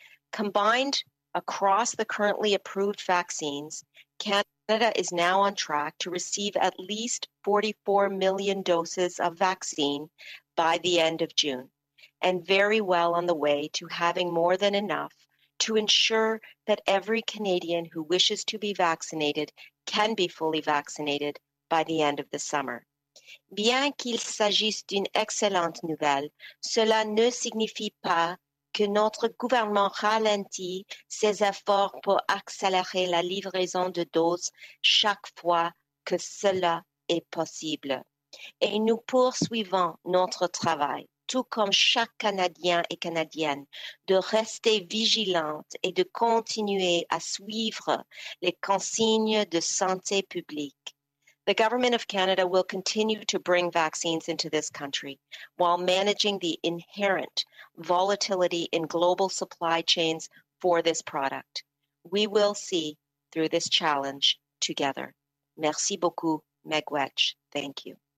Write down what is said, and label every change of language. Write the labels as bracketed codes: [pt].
[en] Combined across the currently approved vaccines, Canada is now on track to receive at least 44 million doses of vaccine by the end of June, and very well on the way to having more than enough to ensure that every Canadian who wishes to be vaccinated can be fully vaccinated by the end of the summer. [fr] Bien qu'il s'agisse d'une excellente nouvelle, cela ne signifie pas que notre gouvernement ralentit ses efforts pour accélérer la livraison de doses chaque fois que cela est possible. Et nous poursuivons notre travail, tout comme chaque Canadien et Canadienne, de rester vigilante et de continuer à suivre les consignes de santé publique. [en] The Government of Canada will continue to bring vaccines into this country while managing the inherent volatility in global supply chains for this product. We will see through this challenge together. [fr] Merci beaucoup, Meg Wetch. [en] Thank you.